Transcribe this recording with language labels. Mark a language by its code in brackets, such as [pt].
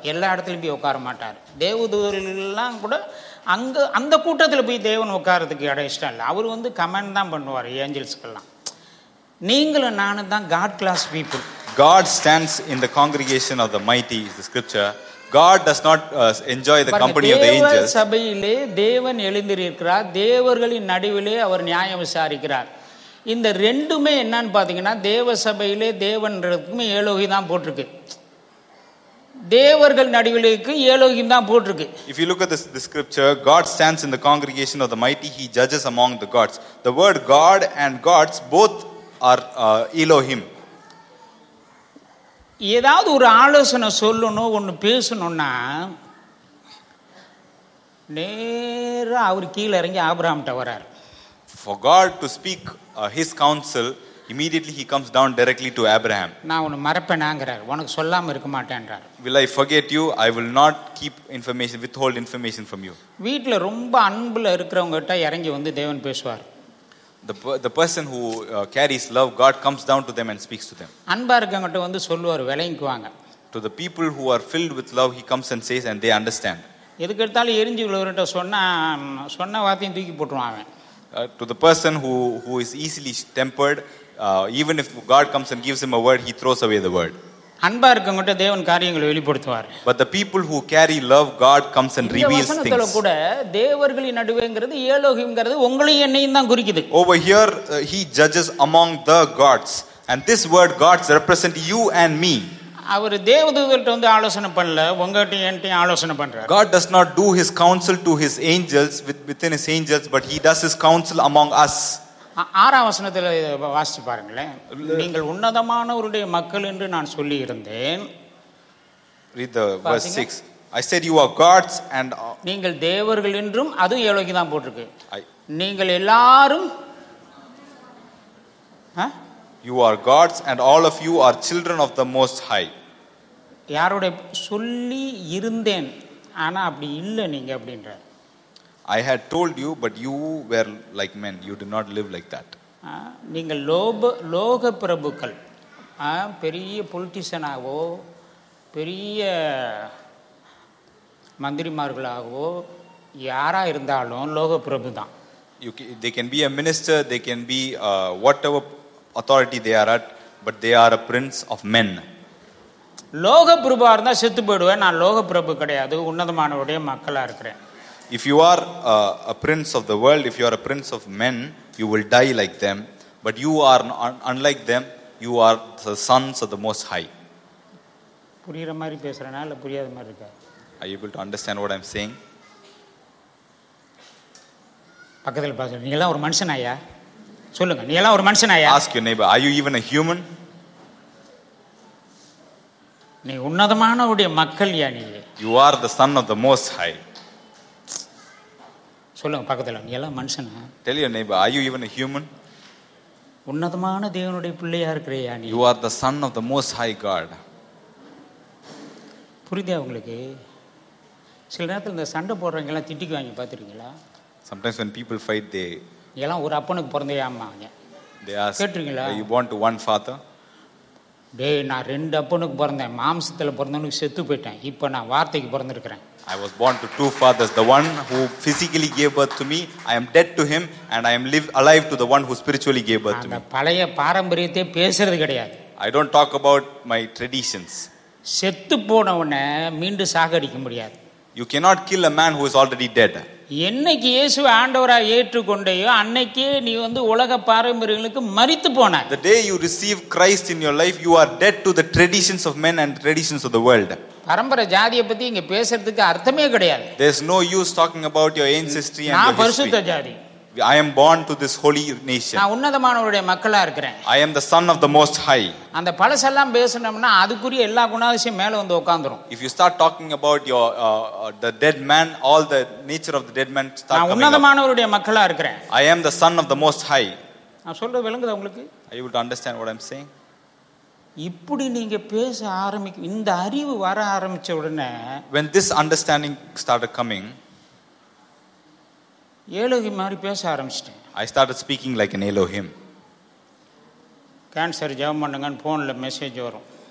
[ta] எல்லா இடத்துலையும் போய் உட்கார மாட்டார். தேவதூதர்கள்லாம் கூட அங்கே அந்த கூட்டத்தில் போய் தேவன் உட்கார்றதுக்கு இடம் இஷ்டம் இல்லை. அவர் வந்து கமெண்ட் தான் பண்ணுவார் ஏஞ்சல்ஸ்க்கெல்லாம். நீங்களும் நானும் தான் [en] God class people. God stands in the congregation of the mighty is the scripture. God does not enjoy the company of the angels. [ta] தேவன் சபையிலே தேவன் எழுந்திருக்கிறார். தேவர்களின் நடுவிலே அவர் நியாயம் விசாரிக்கிறார். இந்த ரெண்டுமே என்னன்னு பார்த்தீங்கன்னா, தேவ சபையிலே தேவன்றதுக்குமே ஏலோகி தான் போட்டிருக்கு. தேவர்கள் நடுவிலுக்கு ஏலோகி தான் போட்டிருக்கு. [en] If you look at this scripture, God stands in the congregation of the mighty, he judges among the gods. The word God and gods both are Elohim. [ta] ஏதாவது ஒரு ஆலோசனை சொல்லணும், ஒன்று பேசணும்னா நேராக அவர் கீழே இறங்கி ஆபிரகாம்கிட்ட வரார். [en] For God to speak his counsel, immediately he comes down directly to Abraham. [ta] நான் உன்னை மறப்பேனாங்கறார், உனக்கு சொல்லாம இருக்க மாட்டேன்றார். [en] Will I forget you? I will not keep information, withhold information from you. [ta] வீட்ல ரொம்ப அன்புல இருக்கிறவங்க கிட்ட இறங்கி வந்து தேவன் பேசுவார். [en] The person who carries love, God comes down to them and speaks to them. [ta] அன்பா இருக்கவங்க கிட்ட வந்து சொல்வார், விளங்கிக்குவாங்க. [en] To the people who are filled with love, he comes and says and they understand. [ta] எதுக்கு எடுத்தாலும் எரிஞ்சு உள்ளவர்கிட்ட சொன்ன வார்த்தையும் தூக்கி போட்டுருவாங்க. [en] To the person who is easily tempered, even if God comes and gives him a word, he throws away the word. [ta] அன்பா இருக்கங்கட்ட தேவன் காரியங்களை வெளிப்படுத்துவார். [en] But the people who carry love, God comes and reveals things. [ta] இந்த வசனத்துல கூட தேவர்களின் நடுவேங்கிறது ஏலோகிம்ங்கிறது உங்களையும் என்னையும் தான் குறிக்குது. [en] Over here he judges among the gods, and this word gods represent you and me. [ta] அவர் தேவதூதர்கள்ட்ட வந்து ஆலோசனை பண்ணல, உங்ககிட்ட என்கிட்ட ஆலோசனை பண்றாரு. [en] God does not do his counsel to his angels within his angels, but he does his counsel among us. [ta] ஆறாம் வசனத்தில் வாசிச்சு பாருங்களேன், நீங்கள் உன்னதமானவருடைய மக்கள் என்று நான் சொல்லி இருந்தேன். [en] Read the verse 6. I said you are gods and [ta] நீங்கள் தேவர்கள் என்றும், அது ஏலோகி தான் போட்டிருக்கு. நீங்கள் எல்லாரும் [en] you are gods and all of you are children of the most high. [ta] யாரோட சொல்லி இருந்தேன், ஆனா அப்படி இல்ல நீங்க அப்படின்ற. [en] I had told you but you were like men, you did not live like that. [ta] நீங்க லோக பிரபுக்கள், பெரிய politician-ஆவோ பெரிய மந்திரிமார்களாவோ யாரா இருந்தாலும் லோக பிரபு தான். [en] They can be a minister, they can be whatever authority they are at, but they are a prince of men. [ta] லோக பிரபுவா இருந்தா செத்து போடுவேன், நான் லோக பிரபு கிடையாது, உன்னதமானவருடைய மக்களா இருக்கிறேன். [en] If you are a prince of the world, if you are a prince of men, you will die like them, but you are unlike them, you are the sons of the most high. [ta] புரியற மாதிரி பேசுறனா இல்ல புரியாத மாதிரி இருக்கா? [en] Are you able to understand what I'm saying? [ta] பக்கத்துல பாருங்க, நீ எல்லாம் ஒரு மனுஷன் ஆயா, சொல்லுங்க, நீ எல்லாம் ஒரு மனுஷன் ஆயா? [en] Ask your neighbor, are you even a human? [ta] நீ உன்னதமானவருடைய மக்கள் யா? நீ [en] you are the son of the most high. [ta] சொல்லுங்க பக்கத்துல, நீ எல்லாம் மனுஷனா? [en] Tell your neighbor, are you even a human? [ta] உன்னதமான தேவனுடைய பிள்ளையா இருக்கிறியா? நீ [en] you are the son of the most high God. [ta] புரியதா உங்களுக்கு? சில நேரத்துல இந்த சண்டை போடுறவங்க எல்லாம் திட்டிக்கு வாங்கி பாத்துருக்கீங்களா? [en] Sometimes when people fight, they [ta] எல்லாம் ஒரு அப்பனுக்கு பிறந்தையாமாங்க. கேட்டிருக்கீங்களா? [en] You born to one father? [ta] டே, நான் ரெண்டு அப்பனுக்கு பிறந்தேன், மாம்சத்தில் பிறந்தவனுக்கு செத்து போயிட்டேன், இப்போ நான் வார்த்தைக்கு பிறந்திருக்கிறேன். [en] I was born to two fathers, the one who physically gave birth to me, I am dead to him, and I am alive to the one who spiritually gave birth to me. [ta] நான் பழைய பாரம்பரியத்தை பேசுறது கிடையாது. [en] I don't talk about my traditions. [ta] செத்து போனவனை மீண்டும் சாகடிக்க முடியாது. [en] You cannot kill a man who is already dead. [ta] என்னைக்கு இயேசு ஆண்டவராக ஏற்றுக்கொண்டையோ அன்னைக்கே நீ வந்து உலக பாரம்பரியங்களுக்கு மரித்து போன. [en] The day you receive Christ in your life, you are dead to the traditions of men and traditions of the world. [ta] பரம்பரை ஜாதியை பத்தி இங்க பேசுறதுக்கு அர்த்தமே கிடையாது. [en] There is no use talking about your ancestry and your history. [ta] நான் பரிசுத்த ஜாதி. [en] I am born to this holy nation. [ta] நான் உன்னதமானவருடைய மக்களா இருக்கிறேன். [en] I am the son of the most high. [ta] அந்த பழசெல்லாம் பேசணும்னா அதுக்குரிய எல்லா குணாதிசயம் மேல வந்து உட்கார்ந்துரும். [en] If you start talking about your the dead man, all the nature of the dead man start coming. [ta] நான் உன்னதமானவருடைய மக்களா இருக்கிறேன். [en] I am the son of the most high. [ta] நான் சொல்றது விளங்குதா உங்களுக்கு? [en] Are you able to understand what I'm saying? [ta] இப்படி நீங்க பேச ஆரம்பிக்கும் இந்த அறிவு வர ஆரம்பிச்ச உடனே, [en] when this understanding started coming, [ta] ஏலோகி மாதிரி பேச ஆரம்பிச்சிட்டேன். [en] I started speaking like an Elohim. [ta] Cancer ஜெபம் பண்ணுங்கன்னு போன்ல மெசேஜ் வரும்.